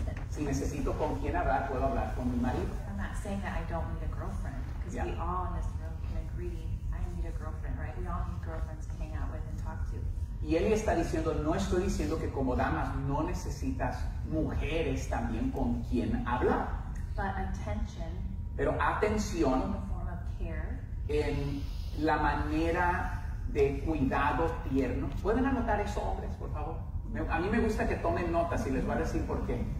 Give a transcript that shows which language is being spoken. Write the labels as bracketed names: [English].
[Spanish] Si necesito con quién hablar, puedo hablar con mi marido. [English] I'm not saying that I don't need a girlfriend, because we all in this room can agree, I need a girlfriend, right? We all need girlfriends to hang out with and talk to. [Spanish] Y él está diciendo, no estoy diciendo que como damas no necesitas mujeres también con quien hablar. [English] But attention. [Spanish] Pero atención. [English] In the form of care. [Spanish] En la manera de cuidado tierno. ¿Pueden anotar eso, hombres, por favor? A mí me gusta que tomen notas y les voy a decir por qué.